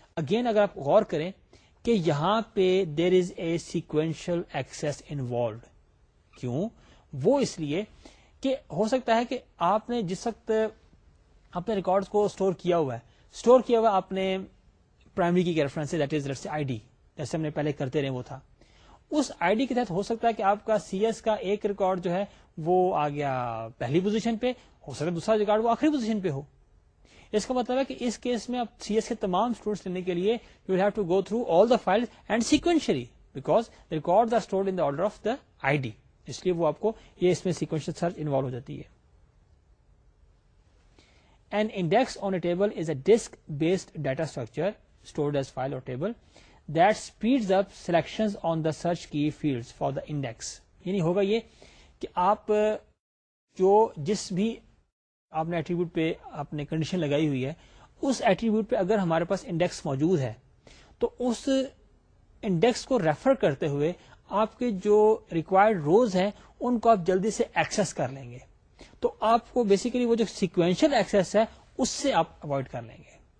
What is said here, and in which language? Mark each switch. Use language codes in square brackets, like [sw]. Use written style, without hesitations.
[ur] Again اگر آپ غور کریں کہ یہاں پہ [en] there is a sequential access involved, [ur] کیوں, وہ اس لیے کہ ہو سکتا ہے کہ آپ نے جس وقت اپنے ریکارڈ کو اسٹور کیا ہوا آپ نے پرائمری کی ریفرنس سے, that is let's say I D, جیسے ہم نے پہلے کرتے رہے وہ تھا, اس آئی ڈی کے تحت ہو سکتا ہے کہ آپ کا سی ایس کا ایک ریکارڈ جو ہے وہ آ گیا پہلی پوزیشن پہ, ہو سکتا ہے دوسرا ریکارڈ وہ آخری پوزیشن پہ ہو. اس کا مطلب ہے کہ اس کیس میں آپ سی ایس کے تمام اسٹوڈنٹس لینے کے لیے [en] you have to go through all the files and sequentially because record are stored in the order of the I D, [ur] اس لیے وہ آپ کو یہ اس میں سیکوینشل سرچ انوالو ہو جاتی ہے. [en] An index on a table is a disk-based data structure stored as file or table that speeds up selections on the search key fields for the index. [ur] یعنی ہوگا یہ کہ آپ جو جس بھی آپ نے ایٹریبیوٹ پہ آپ نے کنڈیشن لگائی ہوئی ہے اس ایٹریبیوٹ پہ اگر ہمارے پاس انڈیکس موجود ہے تو اس انڈیکس کو ریفر کرتے ہوئے آپ کے جو ریکوائرڈ روز ہیں ان کو آپ جلدی سے ایکسس کر لیں گے, تو آپ کو بیسیکلی وہ جو سیکوینشل ایکسس ہے اس سے آپ اوائڈ کر لیں گے.